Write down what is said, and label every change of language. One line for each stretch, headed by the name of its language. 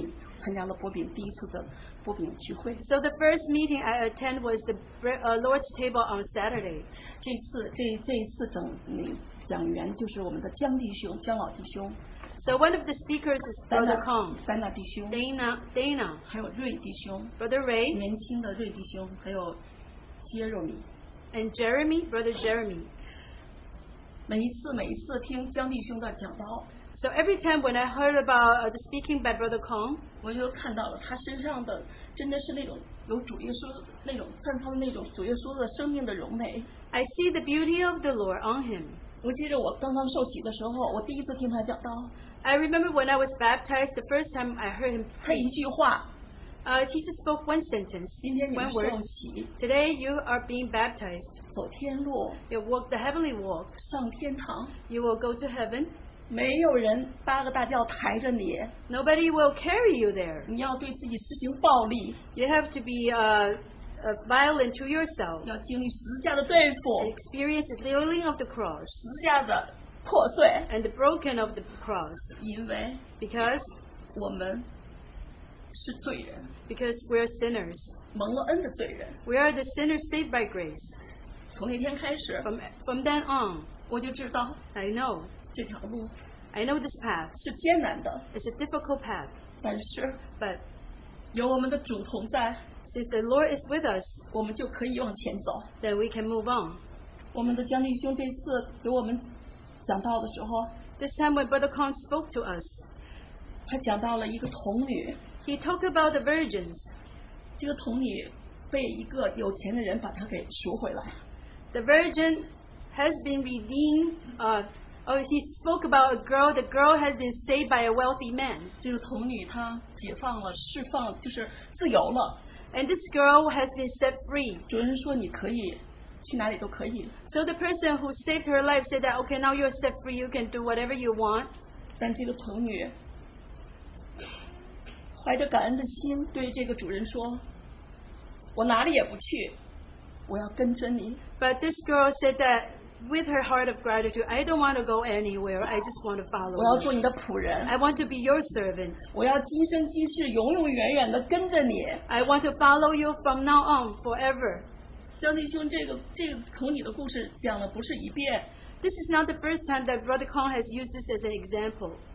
Chinese: 第一堂课就参加，我们是星期六的那个波饼，参加了波饼第一次的波饼聚会。
English: So the first meeting I attend was the Lord's table on Saturday.
Chinese: 这一次讲员就是我们的江弟兄，江老弟兄。
English: So one of the speakers is Brother Kong,
Chinese: Dana, 还有瑞弟兄,
English: Brother Ray,
Chinese: 年轻的瑞弟兄, 还有 Jeremy,
English: and Jeremy, Brother Jeremy.
Chinese: 每一次听江弟兄的讲道,
English: so every time when I heard about the speaking by Brother Kong,
Chinese: 我就看到了他身上的真的是那种有主耶稣那种散发的那种主耶稣的生命的荣美.
English: I see the beauty of the Lord on him.
Chinese: 我记得我刚刚受洗的时候，我第一次听他讲道.
English: I remember when I was baptized, the first time I heard him preach.
Chinese: 他一句话,
English: Jesus spoke one sentence.
Chinese: 今天你们受洗,
English: today you are being baptized.
Chinese: 走天路,
English: you walk the heavenly walk.
Chinese: 上天堂,
English: you will go to heaven.
Chinese: 没有人八个大轿抬着你,
English: nobody will carry you there.
Chinese: 你要对自己实行暴力,
English: you have to be violent to yourself.
Chinese: 要经历十字架的对付,
English: experience the nailing of the cross.
Chinese: 十字架的破碎,
English: and the broken of the cross.
Chinese: 因为,
English: because
Chinese: 我们,
English: because we are sinners.
Chinese: 蒙了恩的罪人.
English: We are the sinners saved by grace.
Chinese: 从那天开始,
English: from then on,
Chinese: 我就知道,
English: I know
Chinese: 这条路,
English: I know this path
Chinese: 是艰难的,
English: it's a difficult path.
Chinese: 但是,
English: but
Chinese: 有我们的主同在,
English: since the Lord is with us,
Chinese: 我们就可以往前走.
English: Then we can move on.
Chinese: 我们的江弟兄这次给我们讲道的时候,
English: this time when Brother Kong spoke to us,
Chinese: 他讲到了一个童女,
English: he talked about the virgins.
Chinese: 这个童女被一个有钱的人把她给赎回来.
English: The virgin has been redeemed. He spoke about a girl. The girl has been saved by a wealthy man.
Chinese: 这个童女她解放了，释放，就是自由了.
English: And this girl has been set free.
Chinese: 主人说你可以, 去哪里都可以.
English: So the person who saved her life said that, okay, now you're set free. You can do whatever you want.
Chinese: 但这个童女, 怀着感恩的心对这个主人说, 我哪里也不去, 我要跟着你。
English: But this girl said that with her heart of gratitude, I don't want to go anywhere, I just want to follow you.
Chinese: 我要做你的仆人,
English: I want to be your servant.
Chinese: 我要今生今世永永远远地跟着你。
English: I want to follow you from now on, forever.
Chinese: 江弟兄这个从你的故事讲了不是一遍,
English: this is not the first time that Brother Kong has used this as an example.